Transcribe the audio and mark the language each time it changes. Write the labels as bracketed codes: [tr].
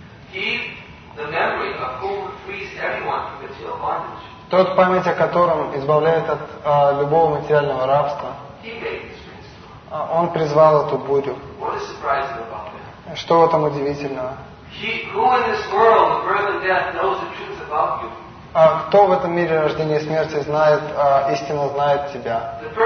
[en] He, the memory of whom frees everyone from material bondage. [ru] Тот, память о котором избавляет от любого материального рабства. [en] He made this principle. [ru] Он призвал эту бурю. [en] What is surprising about that? [ru] Что в этом удивительного? [en] He, who in this world of birth and death knows the truth about you? [ru] А кто в этом мире рождения и смерти знает, а истинно знает тебя?